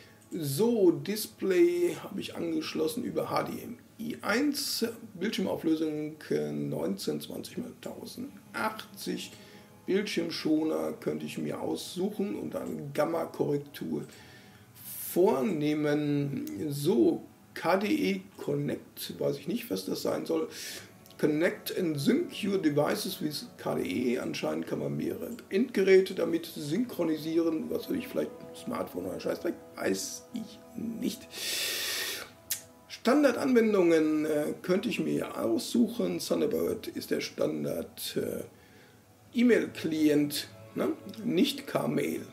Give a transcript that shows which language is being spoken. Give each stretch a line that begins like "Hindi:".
German: So, Display habe ich angeschlossen über HDMI 1, Bildschirmauflösung 1920x1080, Bildschirmschoner könnte ich mir aussuchen und dann Gamma-Korrektur vornehmen. So, KDE Connect, weiß ich nicht, was das sein soll.
English: Connect and Sync Your Devices with KDE.
German: Anscheinend kann man mehrere Endgeräte damit synchronisieren. Was soll ich, vielleicht ein Smartphone oder ein Scheißdreck? Weiß ich nicht. Standardanwendungen könnte ich mir aussuchen. Thunderbird ist der Standard E-Mail-Client, ne? Nicht K-Mail.